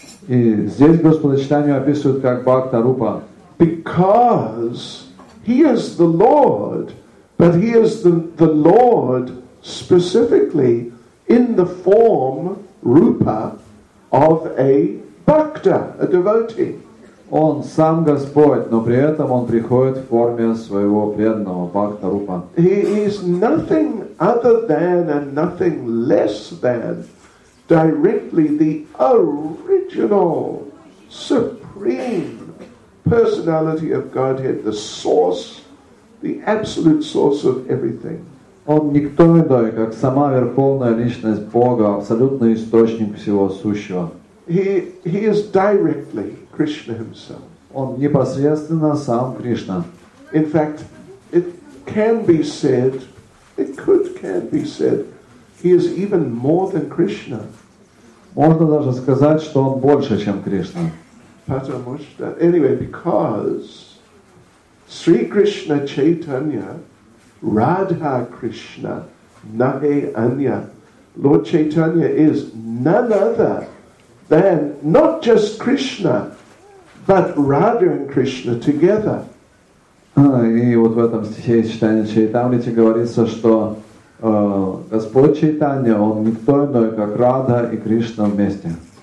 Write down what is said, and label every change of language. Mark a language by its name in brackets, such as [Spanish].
[Russian] И здесь Господа Читания описывают как Бхакта Рупа. [English] Because he is the Lord, but he is the Lord specifically in the form Rupa of a Bhakta, a devotee. [Russian] Он сам Господь, но при этом он приходит в форме своего преданного Бхакта Рупа. [English] He is nothing other than and nothing less than directly the original supreme personality of Godhead, the source, the absolute source of everything. [Russian] Он никто иной, как сама верховная личность Бога, абсолютный источник всего сущего. [English] He is directly Krishna himself. [Russian] Он непосредственно сам Кришна. [English] In fact, it can be said, he is even more than Krishna. [Russian] Можно даже сказать, что он больше, чем Кришна. Потому что, [English] anyway, because [Bangla] Sri Krishna Chaitanya Radha Krishna Nahe Anya. [English] Lord Chaitanya is none other than not just Krishna, but Radha and Krishna together. [Russian] И вот в этом стихе из Читания Чайтамрити говорится, что Господь Чайтанья, Он никто иной, как Радха и Кришна вместе.